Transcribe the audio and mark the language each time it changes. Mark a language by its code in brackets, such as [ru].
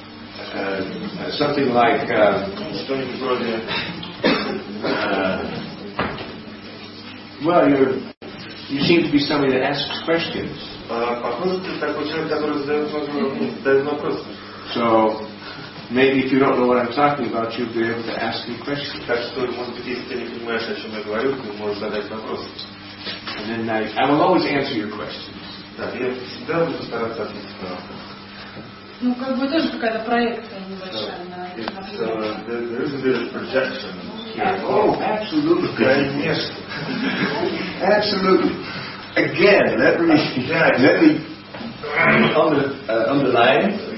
[en] Something like well, you seem to be somebody that asks questions. So maybe if you don't know what I'm talking about, you'll be able to ask me questions. [ru] Так что, может быть, если ты не понимаешь, о чем я говорю, ты можешь задать вопрос. [en] And then I will always answer your questions. [ru] Да, я всегда буду стараться ответить на вопрос. Ну, как бы тоже какая-то проекция небольшая. [en] So, absolutely. Again, let me underline.